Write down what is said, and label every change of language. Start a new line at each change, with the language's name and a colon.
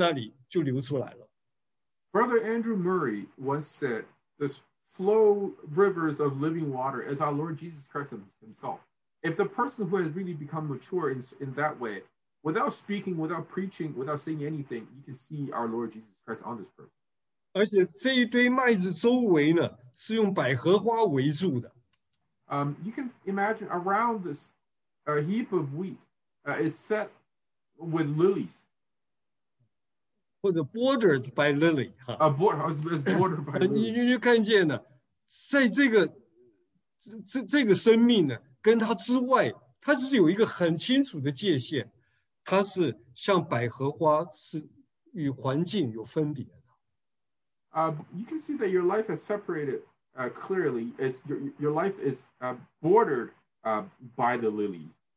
Chinese: 穆安德烈弟兄就讲到，那活水的江河流出来就是丰盛的生命，就是基督自己从他身上自然的流露。他不需要讲道，不需要祷告，他坐在那里就流出来了。
English: Brother Andrew Murray once said, "This flow rivers of living water is our Lord Jesus Christ himself." If the person who has really become mature in that way, without speaking, without preaching, without saying anything, you can see our Lord Jesus Christ on this person.
Chinese: 而且这一堆麦子周围呢，是用百合花围住的。 You can imagine around this heap of wheat is set with lilies. 或者
English: bordered by lily. Bordered by lily.
Chinese: 你就看见呢，在这个生命呢。跟他之外，他是有一个很清楚的界限，他是像百合花，是与环境有分别的。
English: You can see that your life is separated clearly. It's your life is bordered by the lilies.